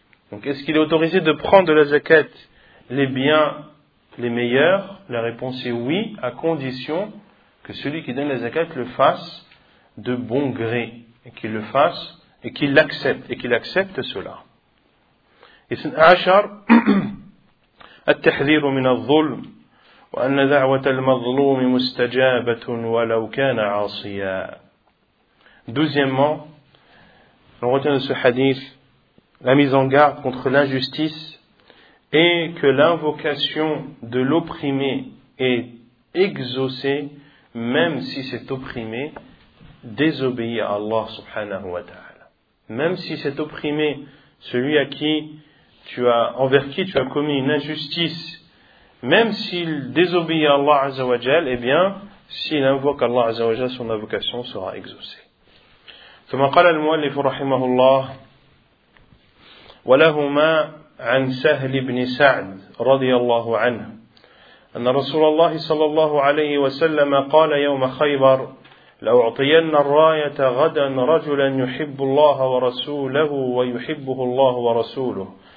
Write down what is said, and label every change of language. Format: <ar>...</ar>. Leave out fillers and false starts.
<fr>Donc, est-ce qu'il est autorisé de prendre de la zakat les biens les meilleurs? La réponse est oui, à condition que celui qui donne la zakat le fasse de bon gré, et qu'il le fasse, et qu'il accepte cela. Et c'est Achar,</fr> <ar>التحذير من الظلم وأن دعوة المظلوم مستجابة ولو كان عاصيا.</ar> <fr>Deuxièmement, on retient de ce hadith la mise en garde contre l'injustice et que l'invocation de l'opprimé est exaucée même si cet opprimé désobéit à Allah subhanahu wa ta'ala. Même si cet opprimé, celui à qui tu as commis une injustice, même s'il désobéit à Allah Azzawajal, eh bien, s'il invoque Allah Azzawajal, son invocation sera exaucée.</fr> <ar>ثم قال المؤلف رحمه الله ولهما عن سهل بن سعد رضي الله عنه أن رسول الله صلى الله عليه وسلم قال يوم خيبر لأعطين الراية غدا رجلا يحب الله ورسوله ويحبه الله ورسوله</ar>